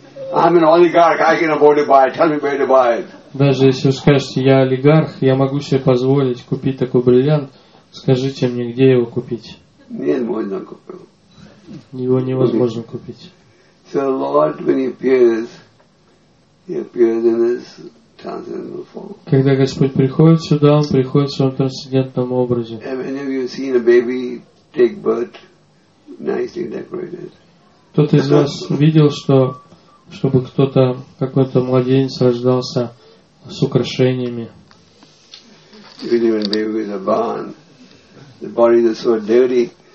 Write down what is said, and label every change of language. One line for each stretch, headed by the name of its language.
English: I'm an oligarch, I can afford to buy it. Tell me where to buy it.
Russian: Даже если вы скажете, я олигарх, я могу себе позволить купить такой бриллиант, скажите мне, где его купить? Нет, можно купить. Его невозможно купить.
English: So Lord, when he appears in his transcendental form.
Russian: Когда Господь приходит сюда, он приходит в своем трансцендентном образе.
English: Have any of you seen a baby take birth nicely decorated?
Russian: Кто-то из вас видел, что чтобы кто-то, какой-то младенец рождался с украшениями?
English: Even when baby was born, the bodies are so dirty.